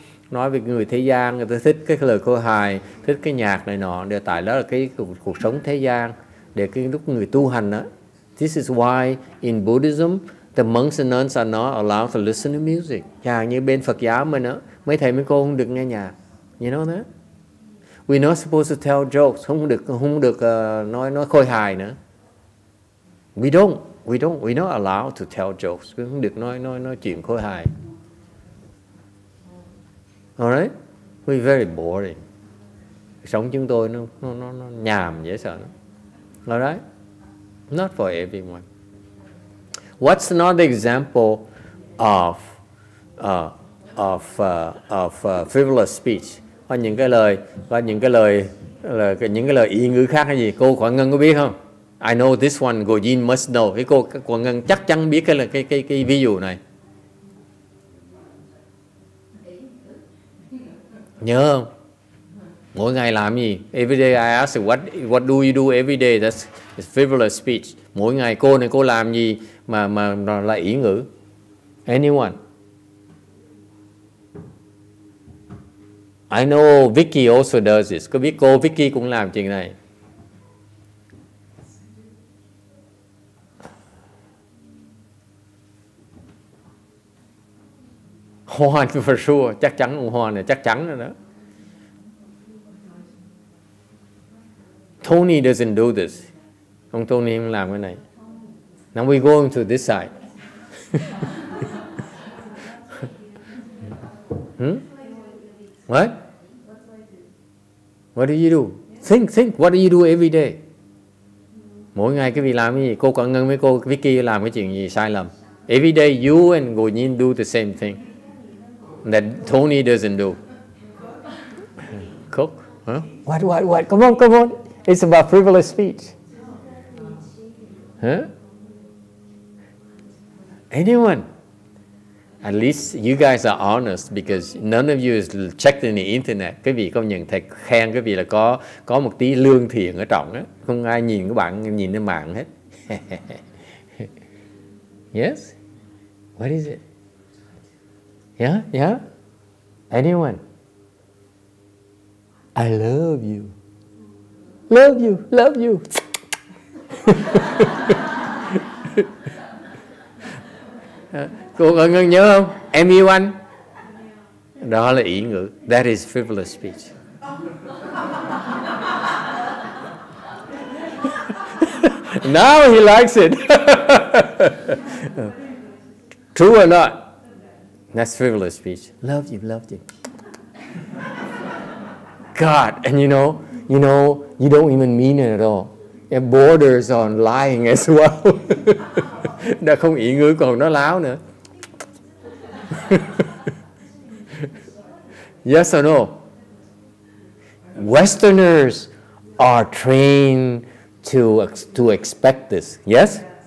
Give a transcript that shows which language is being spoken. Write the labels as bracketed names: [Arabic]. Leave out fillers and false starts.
[Vietnamese] Nói về người thế gian, người ta thích cái lời khôi hài, thích cái nhạc này nọ, để tại đó là cái cuộc sống thế gian, để cái lúc người tu hành đó. [English] This is why in Buddhism, the monks and nuns are not allowed to listen to music. [Vietnamese] Chẳng như bên Phật giáo mình đó, mấy thầy mấy cô không được nghe nhạc. [English] You know that? We're not supposed to tell jokes, [Vietnamese] không được nói khôi hài nữa. [English] We're not allowed to tell jokes, [Vietnamese] không được nói chuyện khôi hài. [English] All right? We're very boring. [Vietnamese] Sống chúng tôi nó nhàm dễ sợ. [English] All right? Not for everyone. What's another example of frivolous speech? [Vietnamese] Có những cái lời, có những cái lời ý ngữ khác hay gì? Cô Quảng Ngân có biết không? [English] I know this one. [Vietnamese] Cô Jin must know. Cái cô Quảng Ngân chắc chắn biết cái ví dụ này. Nhớ không? Mỗi ngày làm gì? [English] Every day I ask what do you do every day? That's frivolous speech. [Vietnamese] Mỗi ngày cô này cô làm gì mà là ý ngữ? [English] Anyone? I know Vicky also does this. [Vietnamese] Có biết cô Vicky cũng làm chuyện này. [English] Hoan for sure. [Vietnamese] Chắc chắn ông Hoan này. Chắc chắn rồi đó. [English] Tony doesn't do this. [Vietnamese] Ông Tony không làm cái này. [English] Now we're going to this side. What? What do you do? Think. What do you do every day? [Vietnamese] Mỗi ngày quý vị làm cái gì? Cô Quảng Ngân với cô Vicky làm cái chuyện gì sai lầm? [English] Every day you and Ngô Nhiên do the same thing that Tony doesn't do. Cook. Huh? What? Come on. It's about frivolous speech. Huh? Anyone? At least you guys are honest because none of you is checked in the internet. [Vietnamese] Quý vị công nhận thầy khen quý vị là có một tí lương thiện ở trọng á. Không ai nhìn các bạn nhìn lên mạng hết. [English] Yes? What is it? Yeah? Anyone? I love you. Love you. [Vietnamese] Cô có ngân nhớ không? [English] Anyone? [Vietnamese] Đó là ý ngữ. [English] That is frivolous speech. Now he likes it. True or not? That's frivolous speech. Love you. God, and you know, you don't even mean it at all. It borders on lying as well. [Vietnamese] Đã không ý ngữ còn nói láo nữa. [English] Yes or no? Westerners are trained to expect this. Yes?